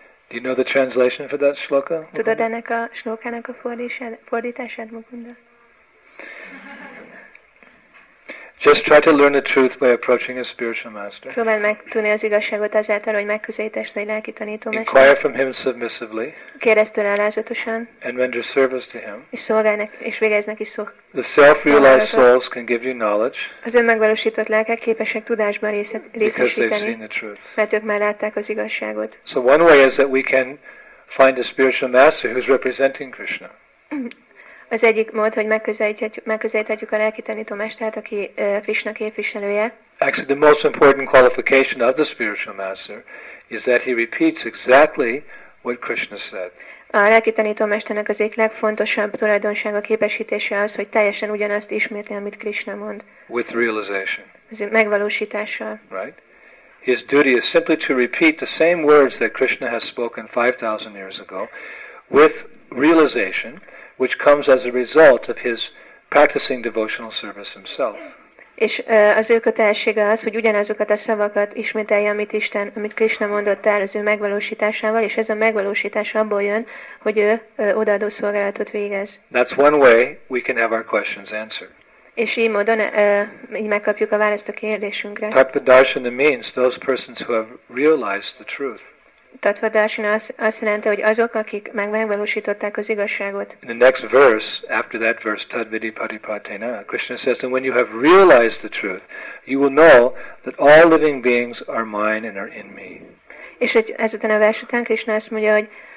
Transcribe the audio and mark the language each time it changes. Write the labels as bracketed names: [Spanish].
[English] Do you know the translation for that shloka? [Hungarian] Tudod ennek a shlokának a fordítását, Mukunda? [English] Just try to learn the truth by approaching a spiritual master. [Hungarian] Próbáld megtudni az igazságot azáltal, hogy megközelítesz egy lelki tanítómester. [English] Inquire from him submissively. [Hungarian] Kérdezz tőle alázatosan. [English] And render service to him. [Hungarian] És szolgálj neki, és végezz neki szolgálatot. [English] The self-realized souls can give you knowledge. [Hungarian] Az önmegvalósított lelkek képesek tudásban részesíteni. [English] Because they've seen the truth. [Hungarian] Mert ők már látták az igazságot. [English] So one way is that we can find a spiritual master who's representing Krishna. [Hungarian] Az egyik mód, hogy megközelíthetjük a lelki tanítómestert, aki Krishna képviselője. [English] Actually, the most important qualification of the spiritual master is that he repeats exactly what Krishna said. [Hungarian] A lelki tanítómesternek az egyik legfontosabb tulajdonsága képesítése az, hogy teljesen ugyanazt ismétli, amit Krishna mond. [English] With realization. [Hungarian] Az megvalósítással. [English] Right. His duty is simply to repeat the same words that Krishna has spoken 5,000 years ago with realization, which comes as a result of his practicing devotional service himself. [Hungarian] És az ő kötelessége az, hogy ugyanazokat a szavakat ismételje, amit Isten, amit Krishna mondott el az ő megvalósításával, és ez a megvalósítás abból jön, hogy ő odaadó szolgálatot végez. [English] That's one way we can have our questions answered. [Hungarian] És így módon így megkapjuk a választ a kérdésünkre. [English] Tattva-darsana means those persons who have realized the truth. [Hungarian] Tattva-darsana azt jelenti, hogy azok, akik megvalósították az igazságot. [English] In the next verse, after that verse, tadvidi paripatena, Krishna says, and when you have realized the truth, you will know that all living beings are mine and are in me. [Hungarian] És hogy ezután a vers után Krishna azt mondja, hogy